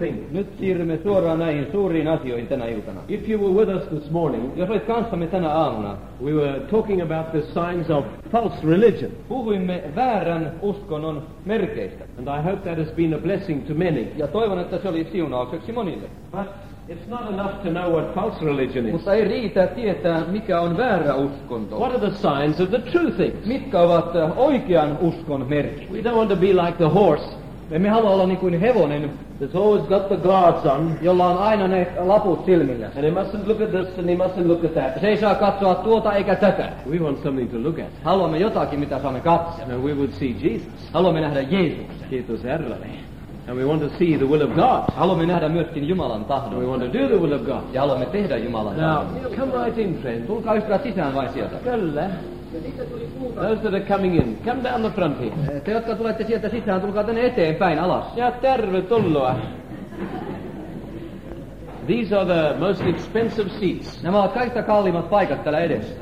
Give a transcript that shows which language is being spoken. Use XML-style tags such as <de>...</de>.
<fi>Nyt siirrymme suoraan näihin suuriin asioihin tänä iltana.</fi> <en>If you were with us this morning,</en> <fi>jos olit kanssamme tänä aamuna,</fi> <en>we were talking about the signs of false religion.</en> <fi>Puhuimme väärän uskonnon merkeistä.</fi> <en>And I hope that has been a blessing to many.</en> <fi>Ja toivon, että se oli siunaukseksi monille.</fi> <en>It's not enough to know what false religion is.</en> <fi>Mutta ei riitä tietää, mikä on väärä uskonto.</fi> <en>What are the signs of the true thing?</en> <fi>Mitkä ovat oikean uskon merkki?</fi> <en>We don't want to be like the horse.</en> <fi>Emme halua olla niin kuin hevonen.</fi> <en>That's always got the guards on.</en> <fi>Jolla on aina ne laput silmillä.</fi> <en>And he mustn't look at this and he mustn't look at that.</en> <fi>Se ei saa katsoa tuota eikä tätä.</fi> <en>We want something to look at.</en> <fi>Haluamme jotakin, mitä saamme katsoa.</fi> <en>And we would see Jesus.</en> <fi>Haluamme nähdä Jeesuksen. Kiitos Herralle.</fi> <en>And we want to see the will of God.</en> <fi>Haluamme nähdä myöskin Jumalan tahdon.</fi> <en>We want to do the will of God.</en> <fi>Ja haluamme tehdä Jumalan tahdon.</fi> <en>Now, come right in, friend.</en> <fi>Tulkaa ystävät sisään vain sieltä. Kyllä.</fi> <en>Those that are coming in, come down the front here.</en> <fi>Te, jotka tulette sieltä sisään, tulkaa tänne eteenpäin alas. Ja tervetuloa.</fi> <en>These are the most expensive seats.</en> <fi>Nämä ovat kaikista kalliimmat paikat täällä edessä.</fi>